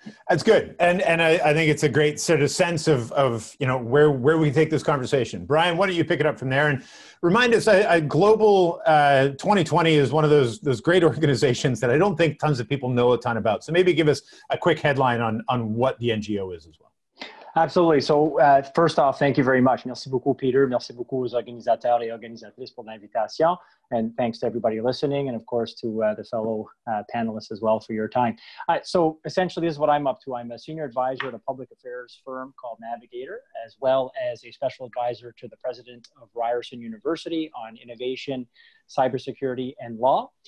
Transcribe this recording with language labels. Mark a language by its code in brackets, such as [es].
[en] That's good, and I think it's a great sort of sense of you know where we take this conversation. Brian, why don't you pick it up from there and remind us? A global 2020 is one of those great organizations that I don't think tons of people know a ton about. So maybe give us a quick headline on what the NGO is as well. Absolutely. So first off, thank you very much. [fr] Merci beaucoup, Peter. Merci beaucoup aux organisateurs et organisatrices pour l'invitation. [en] And thanks to everybody listening. And of course, to the fellow panelists as well for your time. So essentially, this is what I'm up to. I'm a senior advisor at a public affairs firm called Navigator, as well as a special advisor to the president of Ryerson University on innovation, cybersecurity, and law.